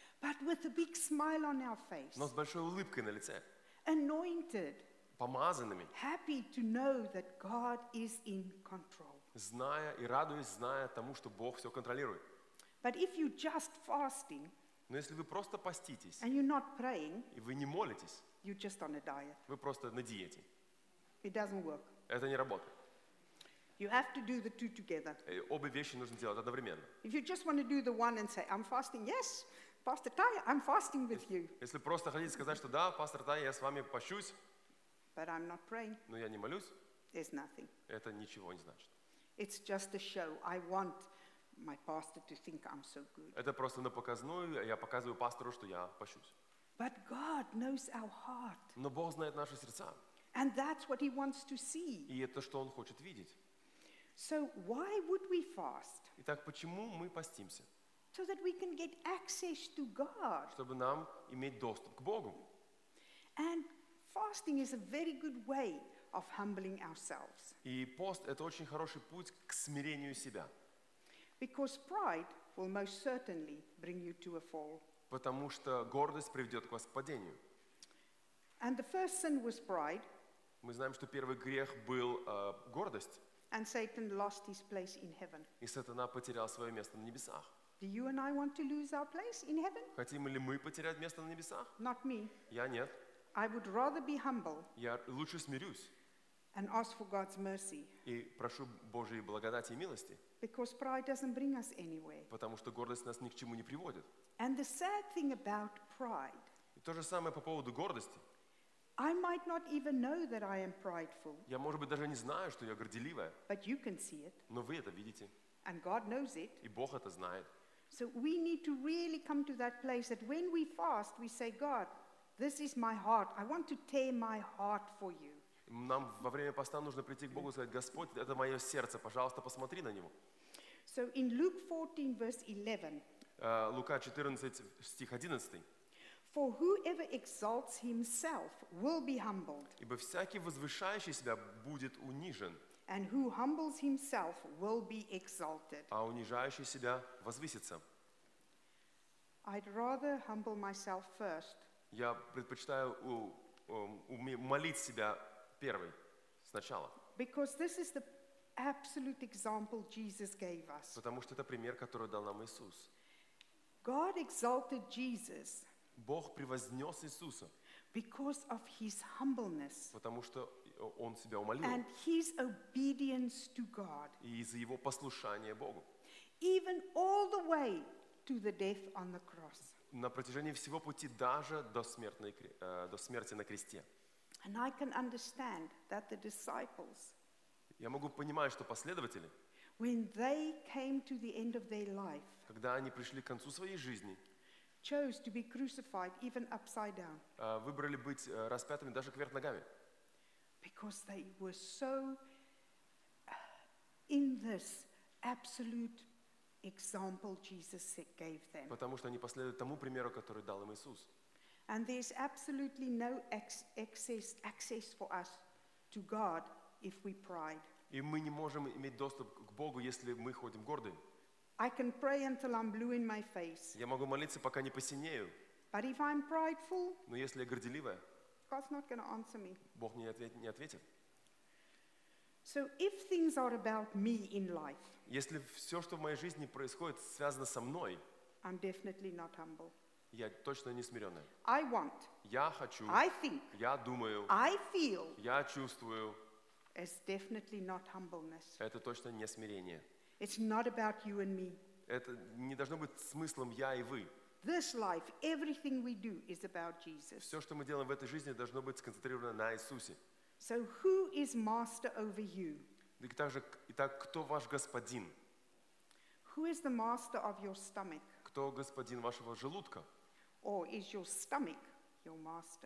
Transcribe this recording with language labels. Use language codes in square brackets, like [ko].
[en] But with a big smile on our face. [ru] Но с большой улыбкой на лице. [en] Anointed. [ru] Помазанными. [en] Happy to know that God is in control. [ru] Зная и радуясь, зная тому, что Бог все контролирует. [en] But if you just fasting, [ru] но если вы просто поститесь, [en] and you're not praying, [ru] и вы не молитесь, [en] you're just on a diet. [ru] Вы просто на диете. [en] It doesn't work. [ru] Это не работает. [en] You have to do the two together. [ru] Обе вещи нужно делать одновременно. [en] If you just want to do the one and say, I'm fasting, yes, Pastor Tai, I'm fasting with you. [ru] Если просто хотите сказать, что да, пастор Тай, я с вами пощусь, [en] but I'm not praying. [ru] Но я не молюсь. [en] There's nothing. [ru] Это ничего не значит. [en] It's just a show. I want my pastor to think I'm so good. [ru] Это просто на показную, я показываю пастору, что я пощусь. [en] But God knows our heart. [ru] Но Бог знает наши сердца. [en] And that's what he wants to see. [ru] И это что он хочет видеть. [en] So why would we fast? [ru] Итак, почему мы постимся? [en] So that we can get access to God. [ru] Чтобы нам иметь доступ к Богу. [en] And fasting is a very good way of humbling ourselves. [ru] И пост это очень хороший путь к смирению себя. [en] Because pride will most certainly bring you to a fall. [ru] Потому что гордость приведет вас к падению. [en] And the first sin was pride. [ru] Мы знаем, что первый грех был гордость. [en] And Satan lost his place in heaven. [ru] И сатана потерял свое место на небесах. [en] Do you and I want to lose our place in heaven? [ru] Хотим ли мы потерять место на небесах? [en] Not me. [ru] Я нет. [en] I would rather be humble. [ru] Я лучше смирюсь. [en] And ask for God's mercy. [ru] И прошу Божьей благодати и милости. [en] Because pride doesn't bring us anywhere. [ru] Потому что гордость нас ни к чему не приводит. [en] And the sad thing about pride. [ru] И то же самое по поводу гордости. [en] I might not even know that I am prideful. [ru] Я, может быть, даже не знаю, что я горделивая. [en] But you can see it. [ru] Но вы это видите. [en] And God knows it. [ru] И Бог это знает. [en] So we need to really come to that place that when we fast, we say, God, this is my heart. I want to tear my heart for you. [ru] Нам во время поста нужно прийти к Богу и сказать, Господь, это мое сердце, пожалуйста, посмотри на него. [en] So in Luke 14, verse 11. [ru] Лука 14, стих 11. [en] For whoever exalts himself will be humbled. [ru] Ибо всякий возвышающий себя будет унижен. [en] And who humbles himself will be exalted. [ru] А унижающий себя возвысится. [en] I'd rather humble myself first. [ru] Я предпочитаю умолить себя первой, сначала. [en] Because this is the absolute example Jesus gave us. [ru] Потому что это пример, который дал нам Иисус. [en] God exalted Jesus. [ru] Бог превознес Иисуса, [en] because of his humbleness, [ru] потому что он себя умолил, [en] and his obedience to God, [ru] и из-за его послушания Богу, [en] even all the way to the death on the cross, [ru] на протяжении всего пути даже до смерти на кресте. [en] And I can understand that the disciples, [ru] я могу понимать, что последователи, [en] when they came to the end of their life, [ru] когда они пришли к концу своей жизни, [en] chose to be crucified even upside down. [ru] Выбрали быть распятыми даже кверх ногами. [en] Because they were so in this absolute example Jesus gave them. [ru] Потому что они последовали тому примеру, который дал им Иисус. [en] And there's absolutely no access for us to God if we pride. [ru] И мы не можем иметь доступ к Богу, если мы ходим гордыми. [en] I can pray until I'm blue in my face. [ru] Я могу молиться, пока не посинею. [en] But if I'm prideful, [ru] но если я горделивая, [en] God's not going to answer me. [ru] Бог мне не ответит. [en] So if things are about me in life, [ru] если все, что в моей жизни происходит, связано со мной, [en] I'm definitely not humble. [ru] Я точно не смиренная. [en] I want. [ru] Я хочу. [en] I think. [ru] Я думаю. [en] I feel. [ru] Я чувствую. [en] It's definitely not humbleness. [ru] Это точно не смирение. [en] It's not about you and me. [ru] Это не должно быть смыслом я и вы. [en] This life, everything we do is about Jesus. [ru] Все, что мы делаем в этой жизни, должно быть сконцентрировано на Иисусе. [en] So who is master over you? [ru] Итак, кто ваш господин? [en] Who is the master of your stomach? [ru] Кто господин вашего желудка? [en] Or is your stomach your master?